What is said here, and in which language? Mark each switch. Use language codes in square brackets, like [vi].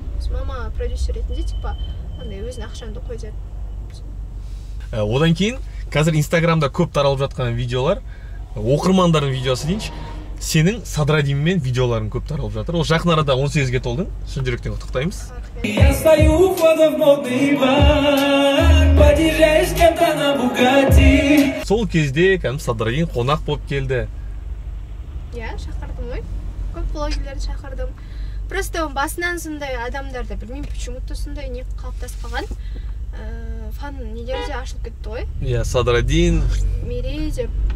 [kk] Мама продюсер ретінде типа андай өзінің ақшаңды қой деп. Одан кейін қазір инстаграмда көп таралып жатқан видеолар, оқырмандардың видеосы дейінші, сенің Садрадиммен видеоларың көп таралып жатыр. Ол жақын арада 18-ге толдың. Шын жүректен құттықтаймыз. [ru] Я стою в модный бар, подъезжаешь кем-то на Бугатти. [kk] Сол кезде кәдімгі Садрадин қонақ болып келді. Иә, шақырдым ғой. Көп блогерлерді шақырдым. Просто оның басынан сондай адамдарды білмеймін, почему-то сондай не қалыптасып қалған. Фан нелер де ашылып кетті ғой. Иә, Садрадин. Мерей деп.